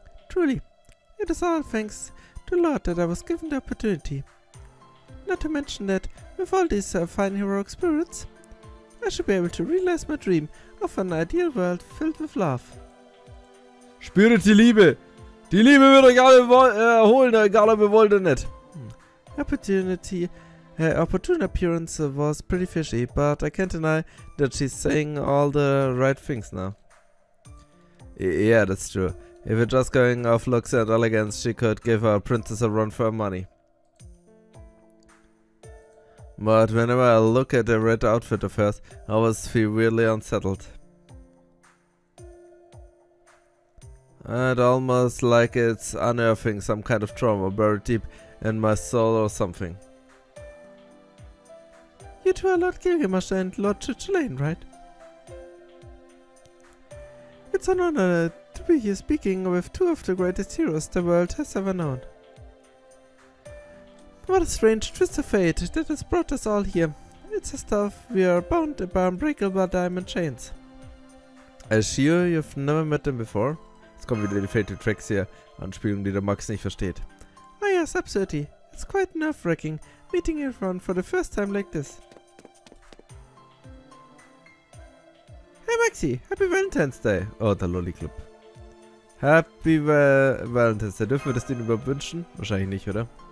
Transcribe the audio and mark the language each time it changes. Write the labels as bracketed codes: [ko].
[en] Truly, it is all thanks to Lord that I was given the opportunity. Not to mention that, with all these fine heroic spirits, I should be able to realize my dream of an ideal world filled with love. [de] Spürt die Liebe! Die Liebe wird euch alle erholen, egal ob ihr wollt oder nicht. [en] Opportune appearance was pretty fishy, but I can't deny that she's saying all the right things now. Yeah, that's true. If we're just going off looks and elegance, she could give our princess a run for her money. But whenever I look at the red outfit of hers, I always feel really unsettled. And almost like it's unearthing some kind of trauma buried deep in my soul or something. You two are Lord Gilgamesh and Lord Chichilane, right? It's an honor to be here speaking with two of the greatest heroes the world has ever known. What a strange twist of fate that has brought us all here. It's as if we are bound by unbreakable diamond chains. I assure you, you've never met them before. [de] Es kommen wieder die Fated Tracks hier, Anspielungen, die der Max nicht versteht. [en] Ah yes, absolutely. It's quite nerve-wracking meeting everyone for the first time like this. Hey Maxi, happy Valentine's Day! [de] Oh, der Lolli Club. [en] Happy Valentine's Day. [de] Dürfen wir das denen überhaupt wünschen? Wahrscheinlich nicht, oder?